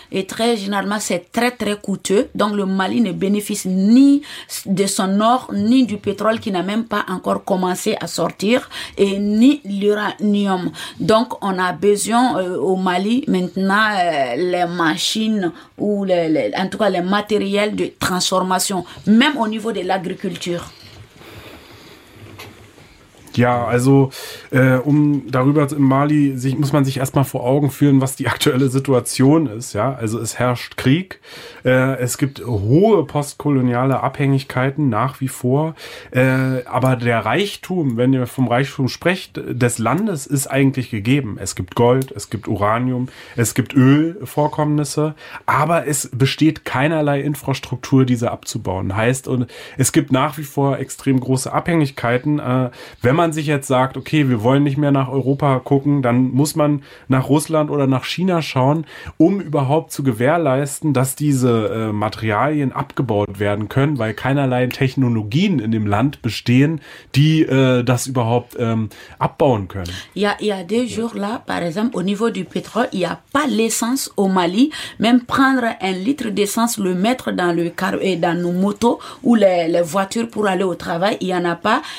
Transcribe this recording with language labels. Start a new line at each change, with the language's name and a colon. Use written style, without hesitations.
French: Et très généralement, c'est très, très coûteux. Donc, le Mali ne bénéficie ni de son or, ni du pétrole qui n'a même pas encore commencé à sortir, et ni l'uranium. Donc, on a besoin au Mali, maintenant, les machines, ou en tout cas, les matériels de transformation, même au niveau de l'agriculture.
German: Ja, also um darüber in Mali sich, muss man sich erstmal vor Augen führen, was die aktuelle Situation ist. Ja, also es herrscht Krieg. Es gibt hohe postkoloniale Abhängigkeiten nach wie vor. Aber der Reichtum, wenn ihr vom Reichtum sprecht, des Landes ist eigentlich gegeben. Es gibt Gold, es gibt Uranium, es gibt Ölvorkommnisse. Aber es besteht keinerlei Infrastruktur, diese abzubauen. Heißt, und es gibt nach wie vor extrem große Abhängigkeiten. Wenn man sich jetzt sagt, okay, wir wollen nicht mehr nach Europa gucken, dann muss man nach Russland oder nach China schauen, um überhaupt zu gewährleisten, dass diese Materialien abgebaut werden können, weil keinerlei Technologien in dem Land bestehen, die das überhaupt abbauen können.
French: Ja, il y a des jours là, par exemple, au niveau du pétrole, il y a pas l'essence au Mali, même prendre un litre d'essence, le mettre dans le car et dans nos motos ou les voitures pour aller au travail, il y en a pas